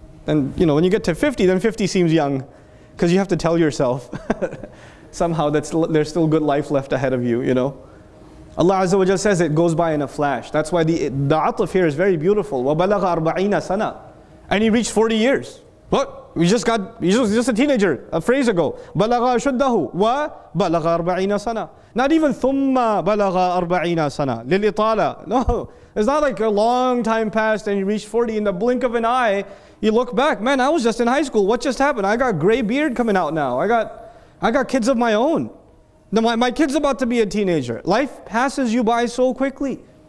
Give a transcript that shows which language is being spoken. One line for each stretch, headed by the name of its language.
English: And, you know, when you get to 50, then 50 seems young. Because you have to tell yourself somehow that there's still good life left ahead of you, you know? Allah Azza wa Jalla says it goes by in a flash. That's why the ataf here is very beautiful.
Arabic: وَبَلَغَ أَرْبَعِينَ سَنَةً.
English: And he reached 40 years. What? He's just a teenager, a phrase ago.
Arabic: بَلَغَ أَشُدَّهُ وَبَلَغَ أَرْبَعِينَ سَنَةً.
English: Not even
Arabic: ثُمَّ بَلَغَ أَرْبَعِينَ سَنَةً لِلْإِطَالَةً.
English: No, it's not like a long time passed and he reached 40. In the blink of an eye, you look back. Man, I was just in high school. What just happened? I got gray beard coming out now. I got kids of my own. My kid's about to be a teenager. Life passes you by so quickly.